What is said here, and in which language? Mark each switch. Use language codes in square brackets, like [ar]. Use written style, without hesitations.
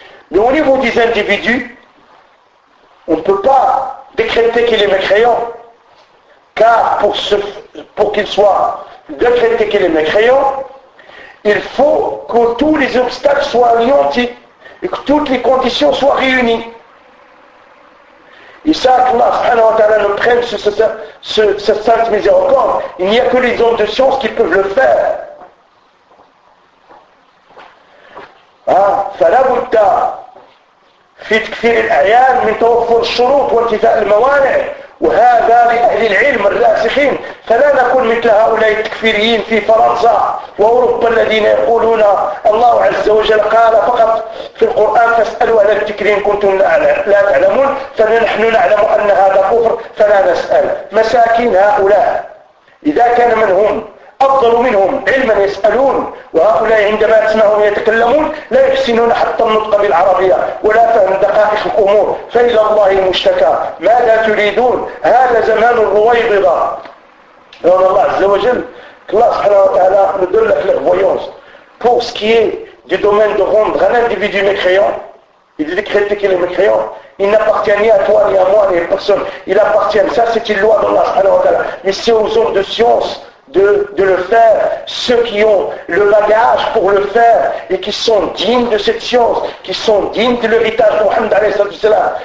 [fr] Mais au niveau des individus, on ne peut pas décréter qu'il est mécréant, car pour qu'il soit décrété qu'il est mécréant, il faut que tous les obstacles soient anéantis et que toutes les conditions soient réunies. Et ça, Allah subhanahu wa ta'ala nous prenne ce sainte miséricorde. Il n'y a que les hommes de science qui peuvent le faire. [ar] فَلَا بُدَّ فِي تَكْفِيرِ الْأَعْيَانِ مِنْ تَوَفُّرِ الشُّرُوطِ وَانْتِفَاءِ الْمَوَانِعِ وَهَذَا لِأَهْلِ الْعِلْمِ الرَّاسِخِينَ فَلَا نَكُنْ مِثْلَ هَؤُلَاءِ التَّكْفِيرِيِّينَ فِي فَرَنْسَا وَأُوروبَا الَّذِينَ يَقُولُونَ اللَّهُ عَزَّ وَجَلَّ قَالَ فَقَطْ فِي الْقُرْآنِ فَاسْأَلُوا أَهْلَ الذِّكْرِ إِنْ كُنْتُمْ لَا تَعْلَمُونَ فَنَحْنُ نَعْلَمُ أَنَّ هَذَا كُفْرٌ فَلَا نَسْأَلُ مَسَاكِينَ هَؤُلَاءِ إِذَا كَانَ مِنْ هُمْ أفضل منهم علما يسألون وهؤلاء عندما يسمعون يتكلمون لا يحسنون حتى النطق بالعربية ولا فهم دقائق الأمور فإلى الله المشتكى ماذا تريدون هذا زمان الرويضة لأن الله عز وجل الله سبحانه وتعالى ندل لك الرويضة [fr] pour ce qui est du domaine de rendre un individu mécréant il dit critique qu'il est mécréant. Il n'appartient ni à toi, ni à moi, ni à personne. Il appartient. Ça, c'est une loi d'Allah subhanahu wa ta'ala. Mais c'est aux hommes de science de le faire, ceux qui ont le bagage pour le faire et qui sont dignes de cette science, qui sont dignes de l'héritage de Mohammed alayhi salatu wasalam.